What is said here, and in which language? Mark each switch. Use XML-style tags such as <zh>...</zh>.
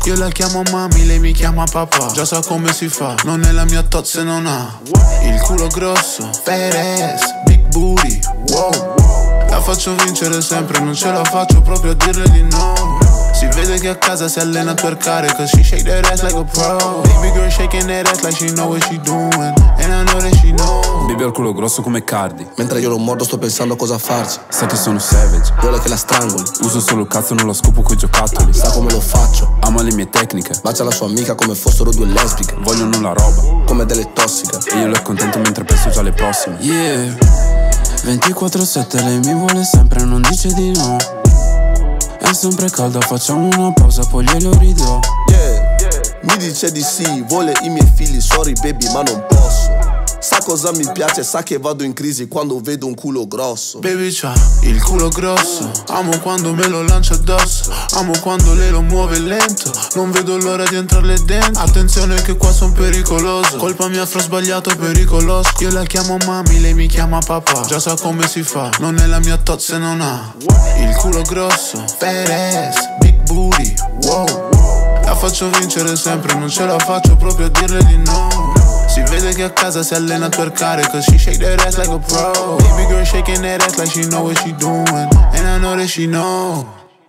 <it>Io la chiamo mami, lei mi chiama papà, già sa come si fa, non è la mia tozza se non ha il culo grosso,</it> <en>fat ass, big booty, wow.</en> <it>La faccio vincere sempre, non ce la faccio proprio a dirle di no. Si vede che a casa si allena a twerkare,</it> <en>cause she shake that ass like a pro. Baby girl shaking that ass like she know what she doing, and I know that she know.</en> <it>Baby ho il culo grosso come Cardi, mentre io lo mordo sto pensando a cosa farci. Sa che sono savage, vuole che la strangoli. Uso solo il cazzo, non la scopo coi giocattoli. Sa come lo faccio, ama le mie tecniche. Bacia la sua amica come fossero due lesbiche. Vogliono la roba, come delle tossiche. E io lo accontento mentre penso già alle prossime. Yeah, 24/7 lei mi vuole sempre, non dice di no. È sempre calda, facciamo una pausa, poi glielo ridò. Yeah, mi dice di sì, vuole i miei figli,</it> <en>sorry baby</en> <it>ma non posso. Sa cosa mi piace, sa che vado in crisi quando vedo un culo grosso. Baby c'ha il culo grosso, amo quando me lo lancia addosso, amo quando lei lo muove lento, non vedo l'ora di entrarle dentro. Attenzione che qua son pericoloso, colpa mia fra sbagliato pericoloso. Io la chiamo mami, lei mi chiama papà, già sa come si fa, non è la mia tozza se non ha il culo grosso,</it> <en>fat ass, big booty, wow.</en> <it>La faccio vincere sempre, non ce la faccio proprio a dirle di no. Si vede che a casa si allena a twerkare,</it> <en>cause she shake that ass like a pro. Baby girl shaking that ass like she know what she doing, and I know that she know.</en>